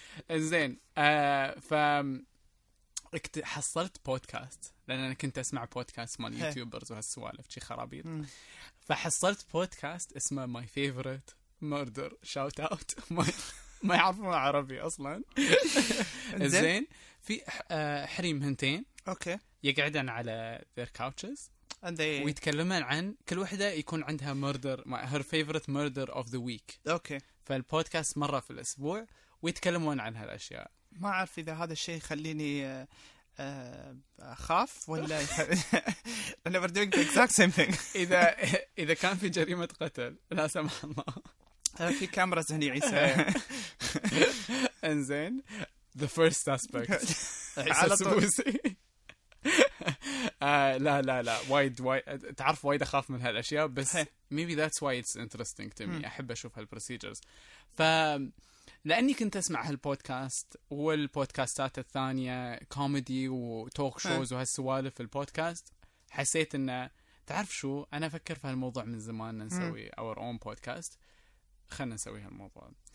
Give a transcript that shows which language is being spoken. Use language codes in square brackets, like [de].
[ar] انزين ف حصلت بودكاست لان انا كنت اسمع بودكاست مال يوتيوبرز وهالسوالف شي خرابيط فحصلت بودكاست اسمه [en] my favorite murder shout out [ar] ما يعرفون عربي اصلا انزين في حريم هنتين اوكي يقعدن على [en] their couches and they... [ar] ويتكلمن عن كل وحده يكون عندها [en] murder her favorite murder of the week [ar] اوكي فالبودكاست مره في الاسبوع ويتكلمون عن هالاشياء ما اعرف اذا هذا الشيء يخليني اخاف ولا انا [en] we're doing the exact same thing [ar] اذا كان في جريمه قتل لا سمح الله في كاميرا هنا عيسى انزين [en] The first suspect. [ar] سوسي. لا وايد تعرف وايد أخاف من هالأشياء بس [en] maybe that's why it's interesting to me. [ar] أحب أشوف هالبروسيجرز. فلأني كنت أسمع هالبودكاست والبودكاستات الثانية كوميدي وتوك شوز وهالسوالف في البودكاست حسيت إنه تعرف شو أنا أفكر في هالموضوع من زمان نسوي [en] our own podcast [ar] خلنا نسوي هالموضوع.